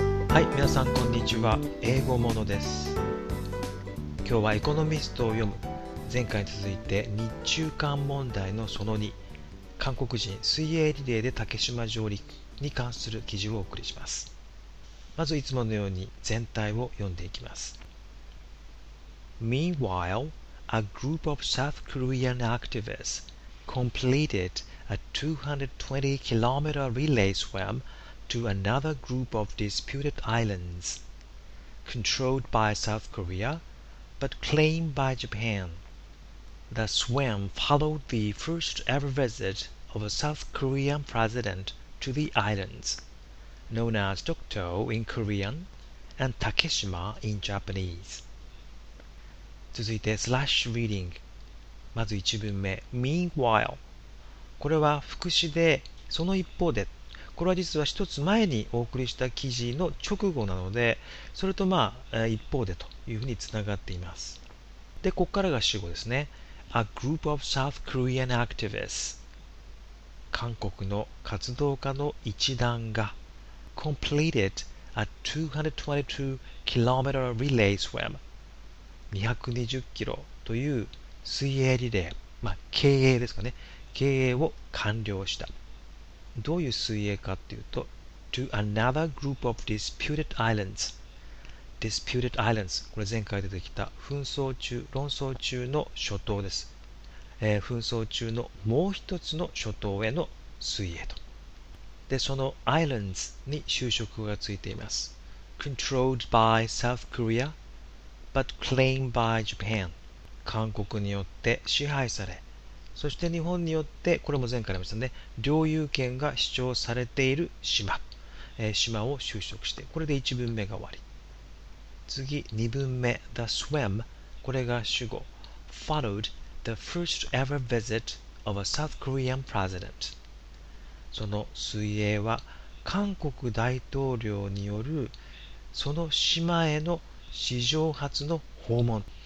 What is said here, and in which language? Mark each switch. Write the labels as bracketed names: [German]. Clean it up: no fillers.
[Japanese] はい、皆さんこんにちは。英語ものです。今日はエコノミストを読む、前回に続いて日中韓問題のその2、韓国人水泳リレーで竹島上陸に関する記事をお送りします。まずいつものように全体を読んでいきます。 [English] Meanwhile, a group of South Korean activists completed a 220-kilometer relay swim to another group of disputed islands, controlled by South Korea, but claimed by Japan. The swim followed the first ever visit of a South Korean president to the islands, known as Dokdo in Korean and Takeshima in Japanese. [Japanese] 続いてスラッシュリーディング、まず1文目 Meanwhile、 これは副詞で、その一方で、これは実は一つ前にお送りした記事の直後なので、それとまあ一方でというふうにつながっています。で、ここからが主語ですね。 [English] A group of South Korean activists、 [Japanese] 韓国の活動家の一団が [English] Completed a 222km relay swim、 [Japanese] 220キロという水泳リレー、まあ経営ですかね、経営を完了した。どういう水泳かっていうと、 [English] To another group of disputed islands. [Japanese] Disputed islands、 これ前回出てきた紛争中、論争中の諸島です、紛争中のもう一つの諸島への水泳と。で、その islands に就職がついています。 [English] Controlled by South Korea. But claimed by Japan. [Japanese] 韓国によって支配され、そして日本によって、これも前回ありましたね、領有権が主張されている島を就職して、これで1文目が終わり。次、2文目、 The swim、 これが主語、 [English] followed the first ever visit of a South Korean president、 [Japanese] その水泳は韓国大統領によるその島への史上初の訪問。